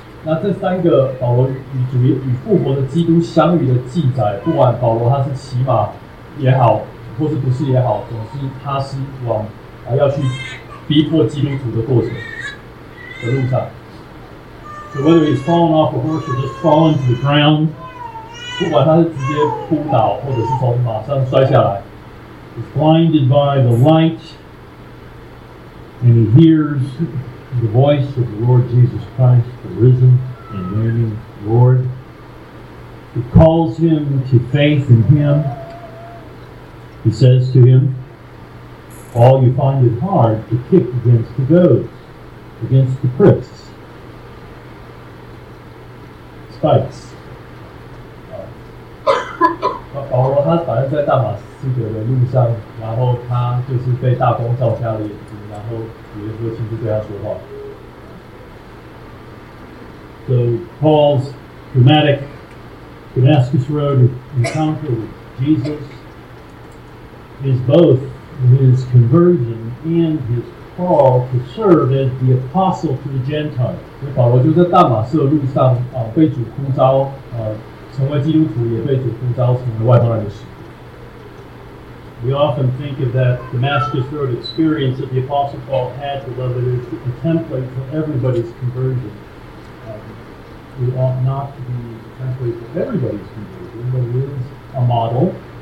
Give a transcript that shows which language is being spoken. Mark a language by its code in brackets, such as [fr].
[zh] 那这三个保罗与主与复活的基督相遇的记载，不管保罗他是骑马也好，或是不是也好，总是他是往要去逼迫基督徒的过程的路上。 [en] So whether he's fallen off a horse or just fallen to the ground, [zh] 不管他是直接扑倒，或者是从马上摔下来。 [en] Blinded by the light, and he hears the voice of the Lord Jesus Christ, the risen and reigning Lord, who calls him to faith in him. He says to him, All you find it hard to kick against the goads, against the pricks, spikes. [zh] 保罗他反正在大马士革的路上，然后他就是被大风照瞎了眼睛，然后主耶稣亲自对他说话。 [en] So Paul's dramatic Damascus Road encounter with Jesus is both his conversion and his call to serve as the apostle to the Gentiles. [zh] 保罗就在大马士的路上被主呼召，成为基督徒，也被主呼召成为外邦人的使徒。 [en] We often think of that Damascus Road experience that the Apostle Paul had, beloved, as a template for everybody's conversion. It ought not to be a template for everybody's conversion, but it is a model.